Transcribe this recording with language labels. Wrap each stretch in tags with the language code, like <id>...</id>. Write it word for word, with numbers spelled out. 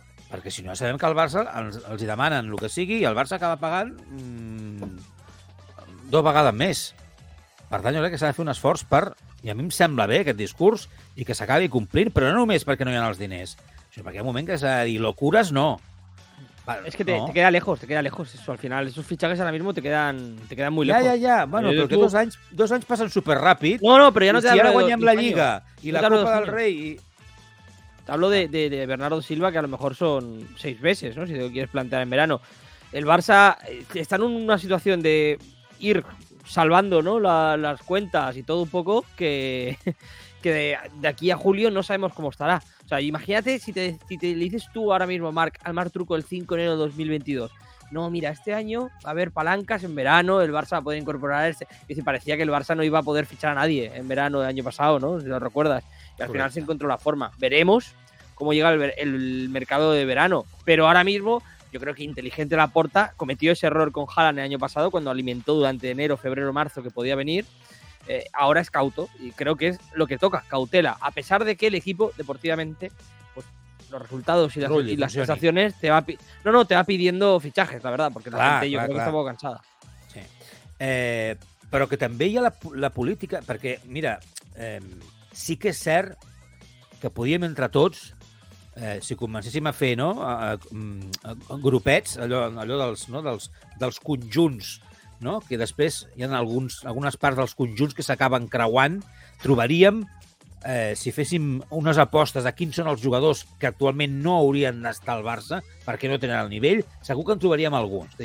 <ca>Perquè si no, sabem que el Barça els, els demanen el que sigui i el Barça acaba pagant mmm, dues vegades més. Per tant, jo crec que s'ha de fer un esforç per... I a mi em sembla bé aquest discurs i que s'acabi complint, però no només perquè no hi ha els diners, sinó perquè hi ha un moment que s'ha de dir locures no.</ca> <es>Es que te, no. te queda lejos, te queda lejos eso. Al final, esos fichajes ahora mismo te quedan, te quedan muy lejos.</es> <ca>Ja, ja, ja. Bueno, pero que dos anys, dos anys passen superràpid.</ca> <es>No, no, pero ya no te si hablo</es> <ca>de... Si ara guanyem la Lliga i la Copa del Rei... I...</ca> <es>Te hablo de, de, de Bernardo Silva, que a lo mejor son seis veces, ¿no? Si te lo quieres plantear en verano. El Barça está en una situación de ir... salvando, ¿no? La, las cuentas y todo un poco, que, que de, de aquí a julio no sabemos cómo estará. O sea, imagínate si te, si te le dices tú ahora mismo, Marc, al Marc Truco el cinco de enero de dos mil veintidós, no, mira, este año va a haber palancas en verano, el Barça va a poder incorporar... Este... Y si parecía que el Barça no iba a poder fichar a nadie en verano del año pasado, ¿no? Si lo recuerdas. Y al final se encontró la forma. Veremos cómo llega el, el mercado de verano. Pero ahora mismo... Yo creo que inteligente Laporta cometió ese error con Haaland el año pasado cuando alimentó durante enero, febrero, marzo que podía venir. Eh, ahora es cauto y creo que es lo que toca, cautela. A pesar de que el equipo deportivamente, pues los resultados y las, Rulli, y las sensaciones te va, no, no, te va pidiendo fichajes, la verdad, porque la clar, gente yo clar, creo clar.</es> <ca>que està molt cansada.</ca> <es>Sí.</es> <ca>Eh, però que també hi ha la, la política, perquè, mira, eh, sí que és cert que podíem entre tots Eh, si comencéssim a fer, no, a, a, a grupets, allò, allò dels, no, dels, dels conjunts, no, que després hi ha alguns, algunes parts dels conjunts que s'acaben creuant, trobaríem, eh, si féssim unes apostes de quins són els jugadors que actualment no haurien d'estar al Barça perquè no tenen el nivell, segur que en trobaríem alguns.</ca>